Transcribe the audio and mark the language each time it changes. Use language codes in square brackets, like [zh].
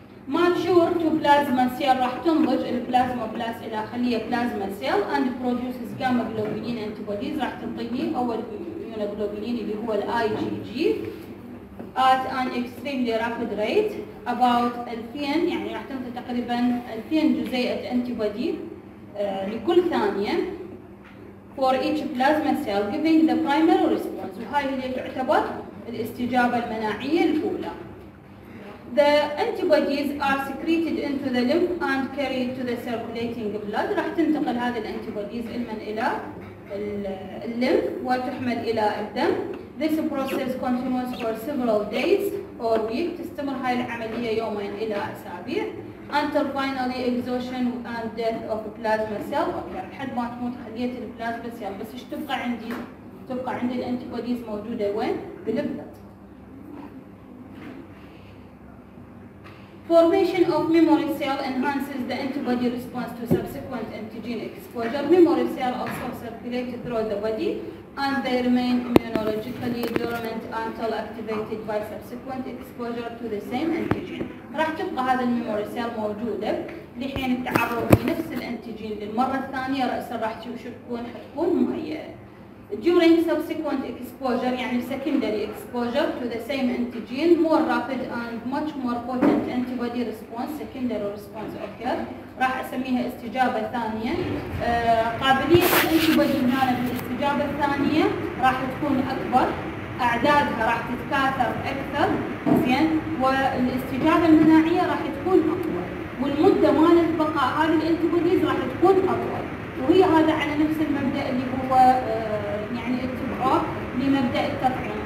[en] mature to plasma cell [ar] راح تنضج البلازما بلاست الى خليه بلازما سيل [en] and produces gamma globulin antibodies [ar] راح تنطيني اول immunoglobulin اللي هو الاي جي جي [en] at an extremely rapid rate about 2000، [ar] يعني راح تنطي تقريبا 2000 جزيئه antibody لكل ثانيه [en] for each plasma cell giving the primary response، [ar] وهاي اللي تعتبر الاستجابه المناعيه الاولى. [en] The antibodies are secreted into the lymph and carried to the circulating blood. [ar] راح تنتقل هذه الانتيبوديز المن الى الليمف وتحمل الى الدم. [en] This process continues for several days or weeks. [ar] تستمر هاي العمليه يومين الى اسابيع. [en] Until finally exhaustion and death of plasma cell. [ar] لحد ما تموت خليه البلازما سيل، بس ايش تبقى عندي؟ تبقى عندي الانتيبوديز موجوده وين؟ بالبلد. [en] Formation of memory cell enhances the antibody response to subsequent antigen exposure. Memory cell also circulate through the body and they remain immunologically dormant until activated by subsequent exposure to the same antigen. [ar] راح تبقى هذا الميموري سيل موجودة لحين التعرض لنفس الانتيجين للمرة الثانية، رأسا راح تكون مهيئة. [en] During subsequent exposure يعني secondary exposure to the same antigen more rapid and much more potent antibody response secondary response occur [ar] راح اسميها استجابة ثانية. قابلية الانتيبودي هنا بالاستجابة الثانية راح تكون اكبر، اعدادها راح تتكاثر اكثر زين، والاستجابة المناعية راح تكون اقوى والمدة مال البقاء هذه الانتيبوديز راح تكون اطول، وهي هذا على نفس المبدأ اللي هو يعني اتبعه لمبدأ التطعيم.